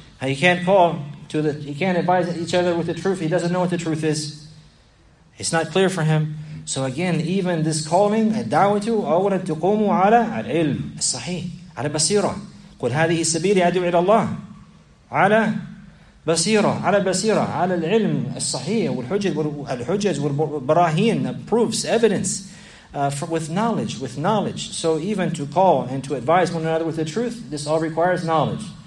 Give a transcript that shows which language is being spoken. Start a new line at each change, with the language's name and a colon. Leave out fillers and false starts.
English: Now you can't call to the, you can't advise each other with the truth. He doesn't know what the truth is. It's not clear for him. So again, even this calling,
Arabic: الدعوة أولا تقوم على العلم الصحيح على بصيرة. قل هذه السبيل أدعو إلى الله على بصيرة على بصيرة على العلم الصحيح والحجج والحجج والبراهين
English: proofs evidence with knowledge So even to call and to advise one another with the truth, this all requires knowledge.